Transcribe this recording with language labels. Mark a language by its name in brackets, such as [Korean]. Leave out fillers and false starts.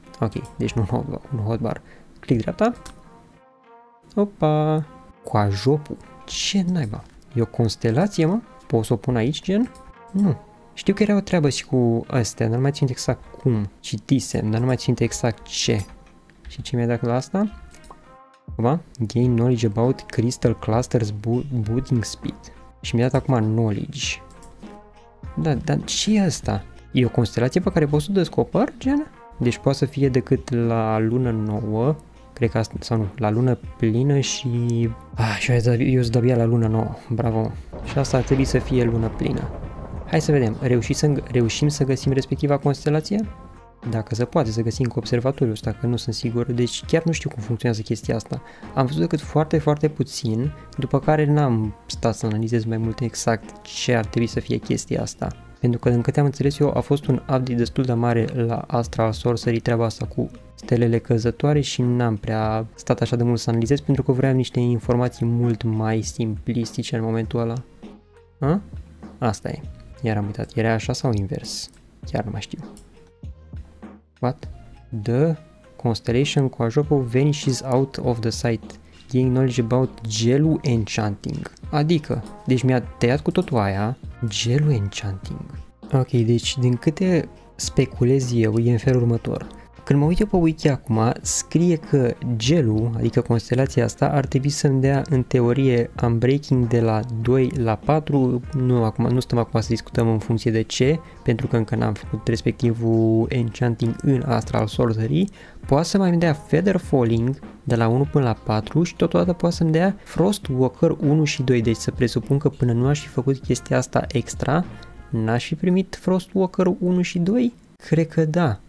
[Romanian] Ok, deci nu în hotbar. Clic dreapta. Opa! Coajopul. Ce naiba? E o constelație, mă? Pot să o pun aici, gen? Nu. Știu că era o treabă și cu astea, dar nu mai țin exact cum citisem, dar nu mai țin exact ce. Și ce mi-a dat la asta? [English] Opa, gain knowledge about crystal clusters booting speed. [Romanian] Și mi-a dat acum knowledge. Da, dar ce e asta? E o constelație pe care poți să o descoperi, gen? Deci poate să fie decât la lună nouă, cred că asta, sau nu, la lună plină și... eu sunt abia la lună nouă, bravo. Și asta ar trebui să fie lună plină. Hai să vedem, reușim să găsim respectiva constelație? Dacă se poate să găsim cu observatoriul ăsta, că nu sunt sigur, deci chiar nu știu cum funcționează chestia asta. Am văzut decât foarte, foarte puțin, după care n-am stat să analizez mai mult exact ce ar trebui să fie chestia asta. Pentru că, din câte am înțeles eu, a fost un update destul de mare la Astral Sorcery, treaba asta cu stelele căzătoare și n-am prea stat așa de mult să analizez, pentru că vreau niște informații mult mai simplistice în momentul ăla. A? Asta e. Iar am uitat, era așa sau invers? Chiar nu mai știu. What? [English] The constellation Coajopo vanishes out of the sight, gaining knowledge about gelu enchanting. [Romanian] Adică, deci mi-a tăiat cu totul aia, gelu enchanting. Ok, deci din câte speculez eu, e în felul următor. Când mă uit eu pe wiki acum, scrie că gelu, adică constelația asta, ar trebui să-mi dea în teorie unbreaking de la 2 la 4, nu stăm acum să discutăm în funcție de ce, pentru că încă n-am făcut respectivul enchanting în Astral Sorcery, poate să mai îmi dea Feather Falling de la 1 până la 4 și totodată poate să-mi dea Frost Walker 1 și 2, deci să presupun că până nu aș fi făcut chestia asta extra, n-aș fi primit Frost Walker 1 și 2? Cred că da.